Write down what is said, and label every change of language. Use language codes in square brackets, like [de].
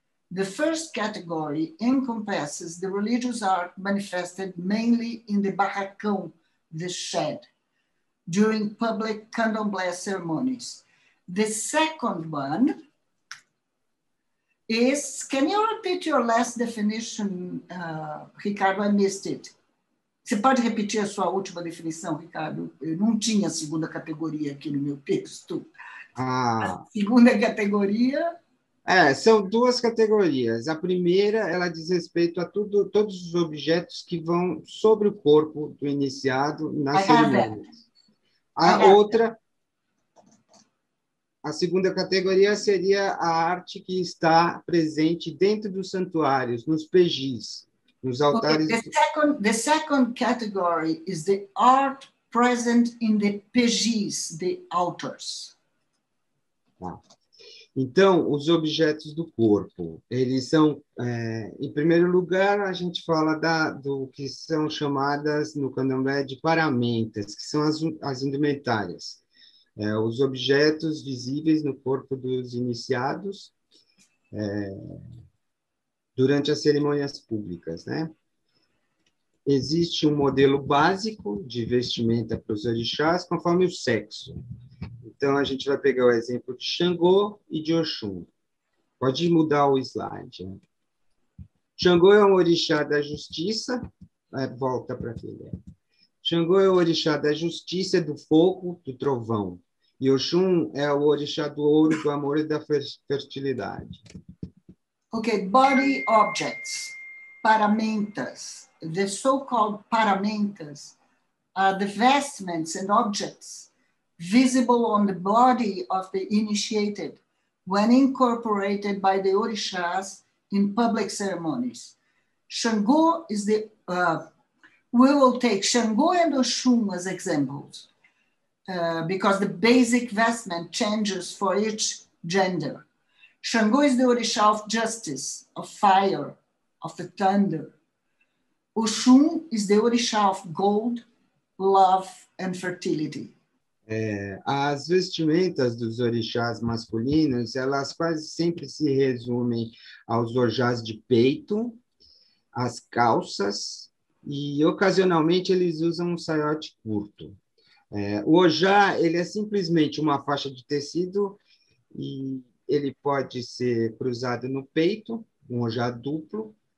[en] The first category encompasses the religious art manifested mainly in the barracão, the shed, during public candomblé ceremonies. The second one is, can you repeat your last definition, Ricardo? I missed it. [pt] Você pode repetir a sua última definição, Ricardo? Eu não tinha a segunda categoria aqui no meu texto. A segunda categoria... É, são duas categorias. A primeira, ela diz respeito a todos os objetos que vão sobre o corpo do iniciado na cerimônia. A outra, a segunda categoria seria a arte que está presente dentro dos santuários, nos pejis, nos altares. [en] Okay, the second category is the art present in the pejis, the altars. [pt] Tá. Então, os objetos do corpo, eles são, em primeiro lugar, a gente fala do que são chamadas no candomblé de paramentas, que são as indumentárias, os objetos visíveis no corpo dos iniciados durante as cerimônias públicas, né? Existe um modelo básico de vestimenta para os orixás conforme o sexo. Então, a gente vai pegar o exemplo de Xangô e de Oxum. Pode mudar o slide. Xangô é um orixá da justiça. Volta para aquele. Xangô é o orixá da justiça, do fogo, do trovão. E Oxum é o orixá do ouro, do amor e da fertilidade. [en] Ok, body objects, paramentas. The so-called paramentas are the vestments and objects visible on the body of the initiated when incorporated by the orishas in public ceremonies. Xangô is the, we will take Xangô and Oxum as examples because the basic vestment changes for each gender. Xangô is the orisha of justice, of fire, of the thunder. Oxum is the orixá of gold, love and fertility. [pt] É, as vestimentas dos orixás masculinos, elas quase sempre se resumem aos orixás de peito, às calças, e ocasionalmente eles usam um saiote curto. É, o orixá, ele é simplesmente uma faixa de tecido e ele pode ser cruzado no peito, um orixá duplo.